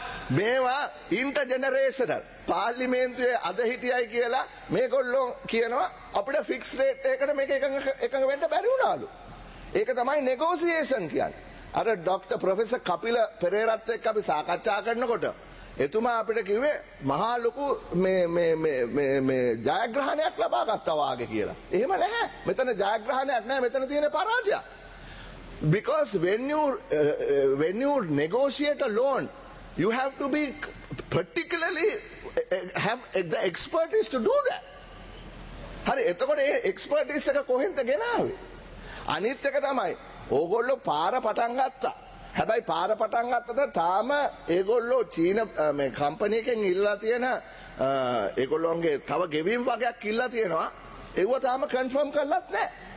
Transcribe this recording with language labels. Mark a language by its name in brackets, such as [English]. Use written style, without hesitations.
[Sinhala] මේවා ඉන්ටර් ජෙනරේෂනල් පාර්ලිමේන්තුවේ අද හිටියයි කියලා මේගොල්ලෝ කියනවා අපිට ෆික්ස් රේට් එකකට මේක එකඟ වෙන්න බැරි වුණාලු ඒක තමයි නෙගෝෂියේෂන් කියන්නේ අර ડોක්ටර් ප්‍රොෆෙසර් කපිල පෙරේරාත් එක්ක අපි සාකච්ඡා කරනකොට එතුමා අපිට කිව්වේ මහා ලොකු මේ මේ මේ මේ මේ ජයග්‍රහණයක් ලබා ගත්තා වාගේ කියලා. එහෙම නැහැ. මෙතන ජයග්‍රහණයක් නැහැ. මෙතන තියෙන්නේ පරාජය. [English] Because when you negotiate a loan, you have to be particularly have the expertise to do that. [Sinhala] හරි. එතකොට මේ expertise එක කොහෙන්ද ගෙනාවේ? අනිත් එක තමයි ඕගොල්ලෝ පාර පටන් ගත්තා. හැබැයි පාර පටන් ගත්තද තාම ඒගොල්ලෝ චීන මේ කම්පැනි එකෙන් ඉල්ලලා තියෙන ඒගොල්ලෝන්ගේ තව ගෙවීම් වගේක් ඉල්ලලා තියෙනවා ඒව තාම කන්ෆර්ම් කරලත් නැහැ